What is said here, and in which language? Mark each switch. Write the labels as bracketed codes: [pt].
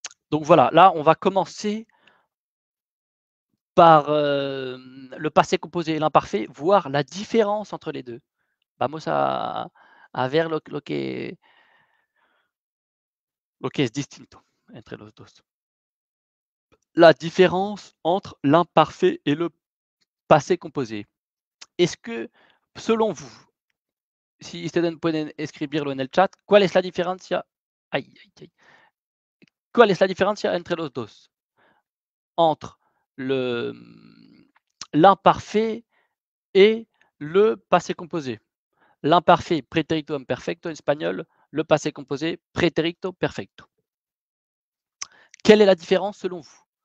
[fr] Donc voilà, là, on va commencer par le passé composé et l'imparfait, voir la différence entre les deux. [es] Vamos a ver lo que es distinto entre los dos. [fr] La différence entre l'imparfait et le passé composé. Est-ce que, selon vous, [es] si ustedes pueden escribirlo en el chat, ¿cuál es la diferencia? Aïe, aïe, aïe. ¿Cuál es la diferencia entre los dos? [fr] Entre l'imparfait et le passé composé. L'imparfait, pretérito imperfecto en espagnol, le passé composé, pretérito perfecto. Quelle est la différence selon vous?